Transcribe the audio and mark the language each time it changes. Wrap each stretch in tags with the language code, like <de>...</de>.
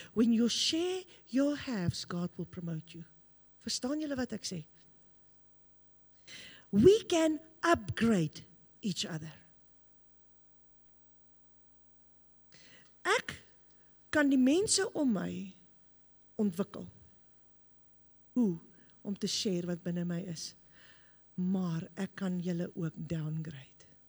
<en>When you share your halves, God will promote you.</en> <af>Verstaan julle wat ek sê?</af> <en>We can upgrade each other.</en> <af>Ek kan die mense om my ontwikkel. Hoe? Om te share wat binne my is. Maar ek kan julle ook downgrade.</af>